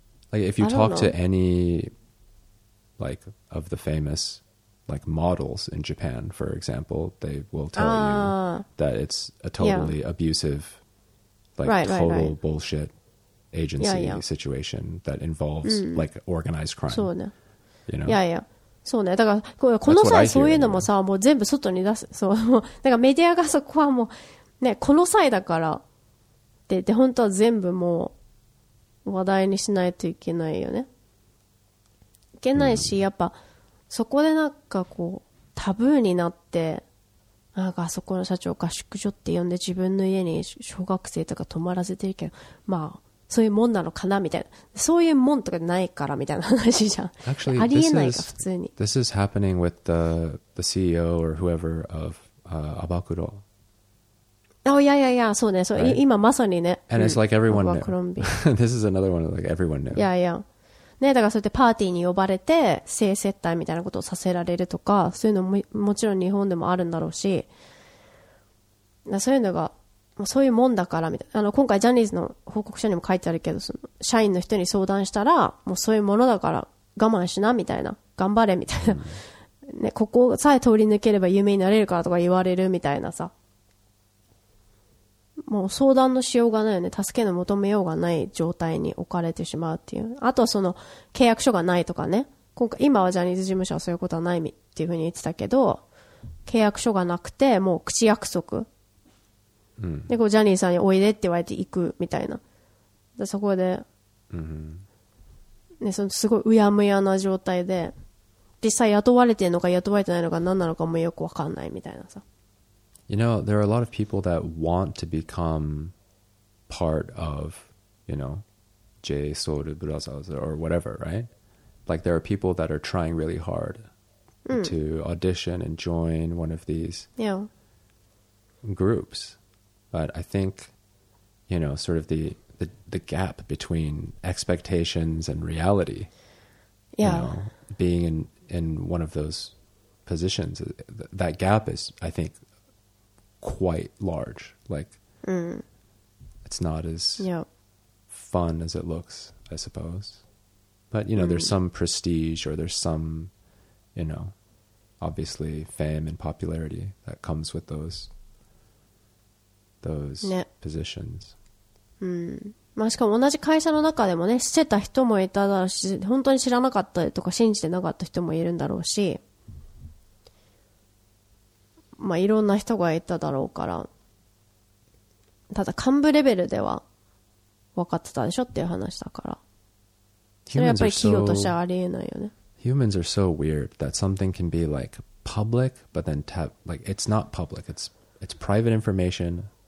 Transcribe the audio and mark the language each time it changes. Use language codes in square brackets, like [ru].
[en] Like if you talk to any like of the famous like models in Japan, for example, they will tell you that it's a totally abusive, like total bullshit agency situation that involves like organized crime. [ja] そうね。 [en] You know? Yeah, yeah. [ja] そうね、だからこの際そういうのもさ、もう全部外に出す、そう、だからメディアがそこはもうね、この際だからって、本当は全部もう話題にしないといけないよね。いけないし、やっぱそこでなんかこうタブーになって、なんかあそこの社長合宿所って呼んで自分の家に小学生とか泊まらせてるけど、まあそういうもんなのかなみたいな、そういうもんとかないからみたいな話じゃん。 [en] Actually, [ja] ありえないか普通に。 [en] This is happening with the CEO or whoever of Abakuro. Oh yeah, yeah, yeah. [ja] そうね、そう、 [en] right? [ja] 今まさにね。 [en] And it's like everyone knew. This is another one of like everyone knew. Yeah, yeah. [ja] ね、だからそうやってパーティーに呼ばれて性接待みたいなことをさせられるとか、そういうのももちろん日本でもあるんだろうし、そういうのが。そういうもんだからみたいな、今回ジャニーズの報告書にも書いてあるけど、その社員の人に相談したら、もうそういうものだから我慢しなみたいな、頑張れみたいな、ね、ここさえ通り抜ければ有名になれるからとか言われるみたいなさ、もう相談のしようがないよね、助けの求めようがない状態に置かれてしまうっていう。あとはその契約書がないとかね、今回、今はジャニーズ事務所はそういうことはないっていうふうに言ってたけど、契約書がなくてもう口約束でこうジャニーさんにおいでって言われて行くみたいな、でそこで、ね、そのすごいうやむやな状態で、実際雇われてるのか雇われてないのか何なのかもよく分かんないみたいなさ。 [en] You know, there are a lot of people that want to become part of, you know, J Soul Brothers or whatever, right? Like there are people that are trying really hard to audition and join one of these groups. But I think, you know, sort of the gap between expectations and reality, you know, being in one of those positions, that gap is, I think, quite large. Like, it's not as fun as it looks, I suppose. But, you know, there's some prestige or there's some, you know, obviously fame and popularity that comes with those positions. [ja] まあしかも同じ会社の中でもね、知ってた人もいただろうし、本当に知らなかったとか信じてなかった人もいるんだろうし、まあいろんな人がいただろうから、ただ幹部レベルでは分かってたでしょっていう話だから、それはやっぱり企業としてはありえないよね。 [en] Humans are so weird that something can be like public, but then like it's not public. It's private information.